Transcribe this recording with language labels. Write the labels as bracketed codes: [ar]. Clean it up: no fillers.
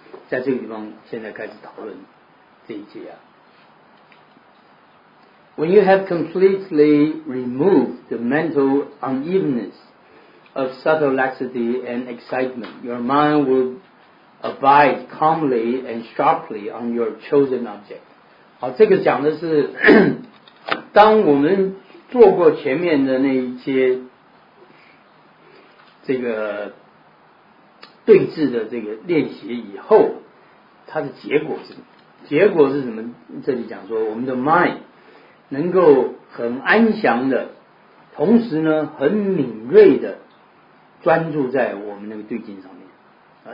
[zh] 在这个地方现在开始讨论这一节啊。 [en] When you have completely removed the mental unevenness of subtle laxity and excitement, your mind will abide calmly and sharply on your chosen object. [zh] 好，这个讲的是当我们做过前面的那一些这个对峙的这个练习以后，它的结果是什么？结果是什么？这里讲说我们的 mind 能够很安详的，同时呢很敏锐的专注在我们那个对境上面啊。